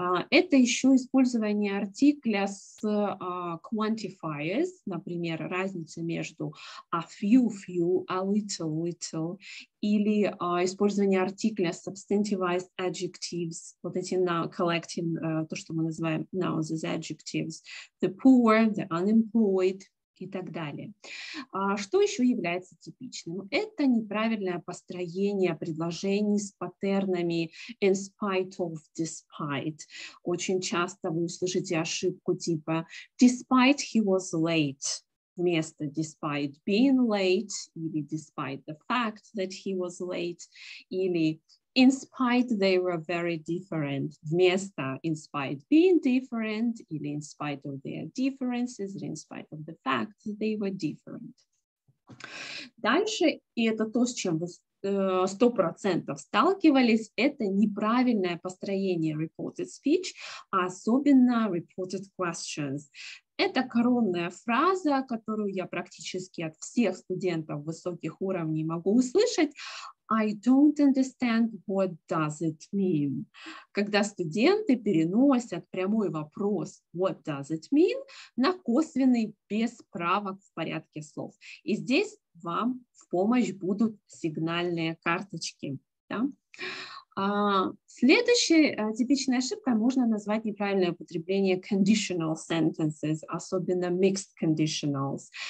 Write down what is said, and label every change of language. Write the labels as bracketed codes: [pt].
[ru] это еще использование артикля с quantifiers, например, разница между [en] a few, a little, [ru] или использование артикля substantivized adjectives, вот эти на collective, то, что мы называем [en] nouns as adjectives, the poor, the unemployed [ru] и так далее. Что еще является типичным? Это неправильное построение предложений с паттернами [en] in spite of, despite. [ru] Очень часто вы услышите ошибку типа [en] despite he was late, [ru] вместо [en] despite being late, [ru] или [en] despite the fact that he was late, [ru] или [en] in spite they were very different, [ru] вместо [en] in spite being different, [ru] или [en] in spite of their differences, or in spite of the fact that they were different. [ru] Дальше, и это то, с чем вы 100% сталкивались, это неправильное построение reported speech, а особенно reported questions. Это коронная фраза, которую я практически от всех студентов высоких уровней могу услышать. [en] I don't understand what does it mean. [ru] Когда студенты переносят прямой вопрос [en] what does it mean [ru] на косвенный без правок в порядке слов. И здесь вам в помощь будут сигнальные карточки. Да? Следующая типичная ошибка можно назвать неправильное употребление conditional sentences, особенно mixed conditionals.